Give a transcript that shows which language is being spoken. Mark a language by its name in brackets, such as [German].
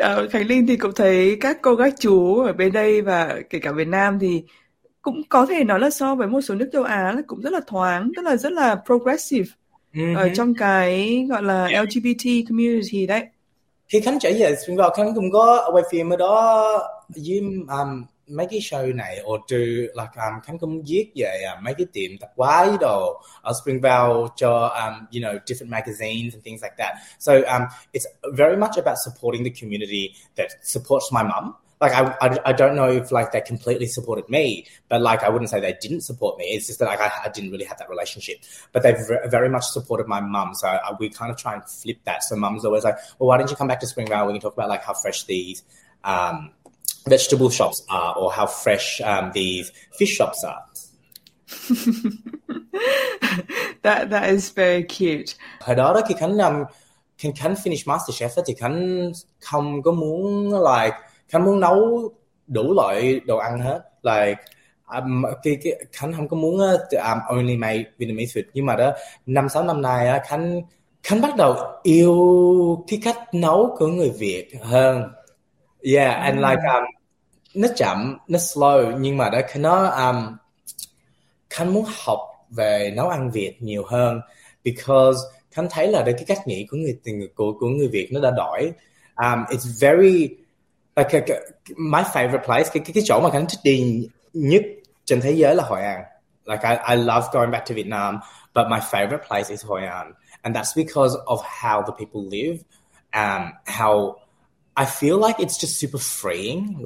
[Vietnamese] Khánh Linh thì cũng thấy các cô các chú ở bên đây và kể cả Việt Nam thì cũng có thể nói là so với một số nước châu Á là cũng rất là thoáng, tức là rất là progressive ở trong cái gọi là LGBT community đấy. Khi Khánh trở về xuyên vào Khánh cũng có quay phim ở đó với mấy cái show này or do là Khánh cũng viết về mấy cái tiệm tạp hóa đồ ở Springvale cho [English] different magazines and things like that. So it's very much about supporting the community that supports my mom. I don't know if like they completely supported me, but like I wouldn't say they didn't support me. It's just that I didn't really have that relationship. But they very much supported my mum. So we kind of try and flip that. So mum's always like, well, why don't you come back to Springvale? We can talk about like how fresh these vegetable shops are or how fresh these fish shops are. [Vietnamese] Tức [English] That is very cute. [Vietnamese] Hồi đó đó khi Khánh làm khi Khánh finish MasterChef đó, thì Khánh không có muốn like Khánh muốn nấu đủ loại đồ ăn hết, like Khánh không có muốn [English] only make Vietnamese food. [Vietnamese] Nhưng mà đó 5-6 năm nay Khánh bắt đầu yêu cái cách nấu của người Việt hơn. [English] Yeah, and like [Vietnamese] nó chậm, nó slow, nhưng mà đó Khánh muốn học về nấu ăn Việt nhiều hơn, [English] because [Vietnamese] Khánh thấy là cái cách nghĩ của người Việt nó đã đổi. [English] It's very like my favorite place, [Vietnamese] cái chỗ mà Khánh thích đi nhất trên thế giới là Hội An. [English] Like I love going back to Vietnam, but my favorite place is Hội An, and that's because of how the people live, how I feel like it's just super freeing.